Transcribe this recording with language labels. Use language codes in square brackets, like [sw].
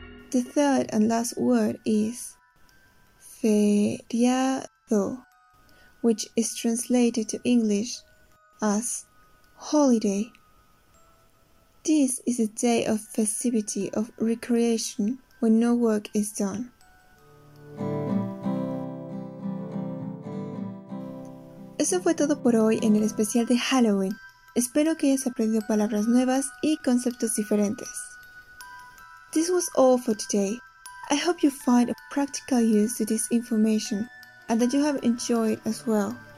[en] The third and last word is feriado, which is translated to English as holiday. This is a day of festivity, of recreation, when no work is done. [es] Eso fue todo por hoy en el especial de Halloween. Espero que hayas aprendido palabras nuevas y conceptos diferentes. [en] This was all for today. I hope you find a practical use to this information and that you have enjoyed as well.